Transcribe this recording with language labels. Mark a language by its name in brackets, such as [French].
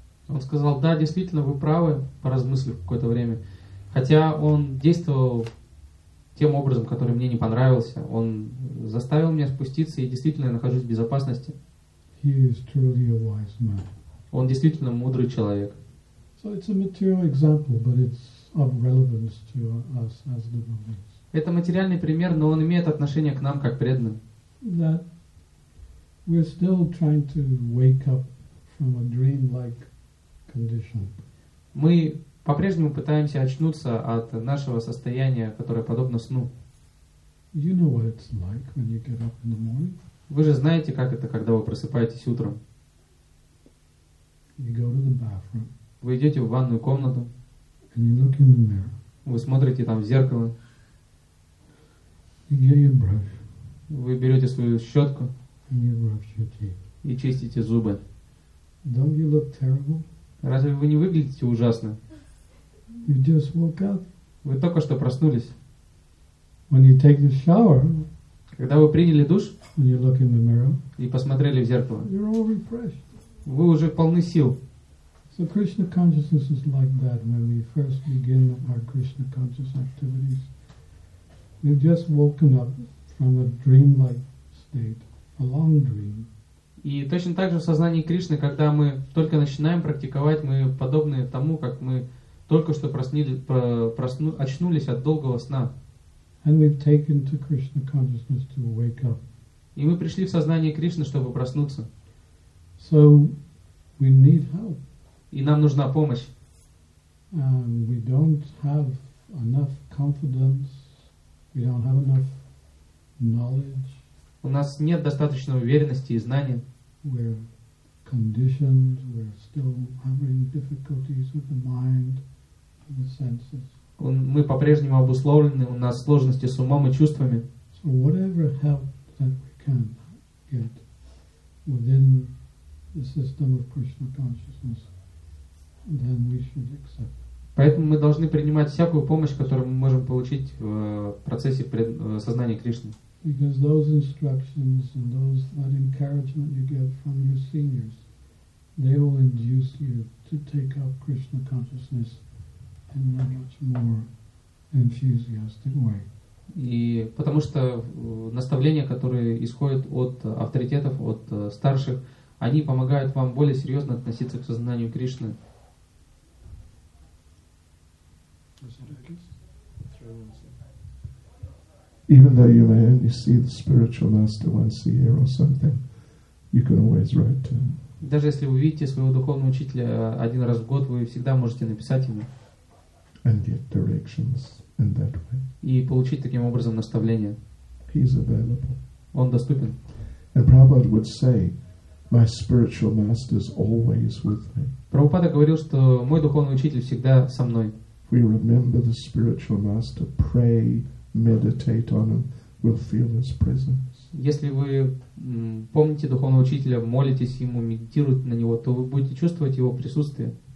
[Russian] Он сказал, да, действительно, вы правы, поразмыслив какое-то время. Хотя он действовал тем образом, который мне не понравился, он заставил меня спуститься, и действительно я нахожусь в безопасности. [English] He is truly a wise man. [Russian] Он действительно мудрый человек. [English] So it's a material example, but it's of relevance to us as devotees. [Russian] Это материальный пример, но он имеет отношение к нам как преданным. [English] That we're still trying to wake up from a dream-like condition. [Russian] Мы по-прежнему пытаемся очнуться от нашего состояния, которое подобно сну. [English] You know what it's like when you get up in the morning? [Russian] Вы же знаете, как это, когда вы просыпаетесь утром. [English] You go to the bathroom. [Russian] Вы идете в ванную комнату. [English] And you look in the mirror. [Russian] Вы смотрите там в зеркало. [English] You get your brush. [Russian] Вы берете свою щетку. [English] And you brush your teeth. [Russian] И чистите зубы. [English] Don't you look terrible? [Russian] Разве вы не выглядите ужасно? [English] You just woke up. [Russian] Вы только что проснулись. [English] When you take the shower, [Russian] когда вы приняли душ, [English] when you look in the mirror, [Russian] и посмотрели в зеркало, [English] you're all refreshed. [Russian] Вы уже полны сил. [English] So Krishna consciousness is like that when we first begin our Krishna conscious activities. We've just woken up from a dreamlike state, a long dream. [Russian] И точно так же в сознании Кришны, когда мы только начинаем практиковать, мы подобны тому, как мы только что очнулись от долгого сна. [English] And we've taken to Krishna consciousness to wake up. [Russian] И мы пришли в сознание Кришны, чтобы проснуться. [English] So we need help. [Russian] И нам нужна помощь. [English] We don't have enough confidence. We don't have enough knowledge. [Russian] У нас нет достаточной уверенности и знания. [English] We're conditioned. We're still having difficulties with the mind, with the senses. [Russian] Мы по-прежнему обусловлены, у нас сложности с умом и чувствами. [English] So whatever help that we can get within the system of Krishna consciousness, then we should accept. [Russian] Поэтому мы должны принимать всякую помощь, которую мы можем получить в процессе сознания Кришны. [English] Because those instructions and those that encouragement you get from your seniors, they will induce you to take up Krishna consciousness. In a much more enthusiastic way. [Russian] И потому что наставления, которые исходят от авторитетов, от старших, они помогают вам более серьезно относиться к сознанию Кришны. [English] Even though you may only see the spiritual master once a year or something, you can always write to him. [Russian] Даже если вы видите своего духовного учителя один раз в год, вы всегда можете написать ему. [English] And get directions in that way. [Russian] И получить таким образом наставление. [English] He is available. [Russian] Он доступен. [English] And Prabhupada would say, my spiritual master is always with me. [Russian] Прабхупада говорил, что мой духовный учитель всегда со мной. [English] We remember the spiritual master, pray, meditate on him, we'll feel his presence. [Russian] Если вы помните духовного учителя, молитесь ему, медитируете на него, то вы будете чувствовать его присутствие.